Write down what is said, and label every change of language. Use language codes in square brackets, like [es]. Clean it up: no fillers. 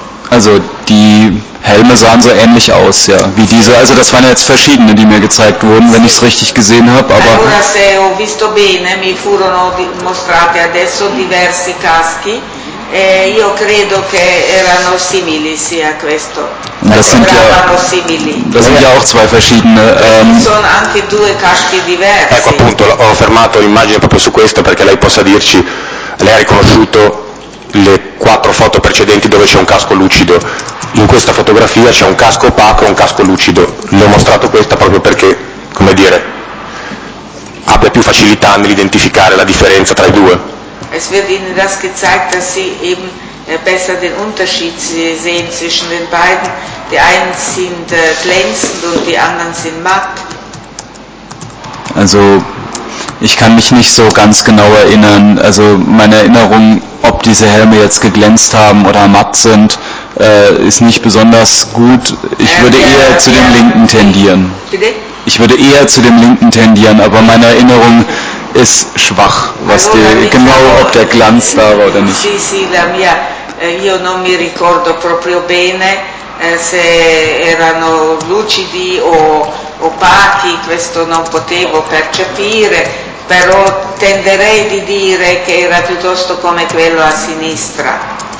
[de] Also die Helme sahen so ähnlich aus, ja, wie diese. Also das waren jetzt verschiedene, die mir gezeigt wurden, wenn ich es richtig gesehen habe. Aber [it] allora, se ho visto bene, mi furono mostrati adesso diversi caschi. Io credo che erano simili sia questo. [de] Das sind ja [it] simili. [de] Das sind ja auch zwei verschiedene. [it] Sono anche due caschi diversi. Ecco appunto, ho fermato l'immagine proprio su questo perché lei possa dirci, lei ha riconosciuto le quattro foto precedenti dove c'è un casco lucido. In questa fotografia c'è un casco opaco e un casco lucido. Le ho mostrato questa proprio perché, come dire, abbia più facilità nell'identificare la differenza tra i due. [de] Es wird Ihnen das gezeigt, dass Sie eben besser den Unterschied sehen zwischen den beiden. Die einen sind glänzend und die anderen sind matt. Also ich kann mich nicht so ganz genau erinnern. Also meine Erinnerung, ob diese Helme jetzt geglänzt haben oder matt sind, ist nicht besonders gut. Ich würde eher zu dem Linken tendieren. Bitte? Ich würde eher zu dem Linken tendieren, aber meine Erinnerung ist schwach, was die, genau, ob der Glanz da war oder nicht. [it] Sì, la mia, io non mi ricordo proprio bene se erano lucidi o opachi, questo non potevo percepire, però tenderei di dire che era piuttosto come quello a sinistra.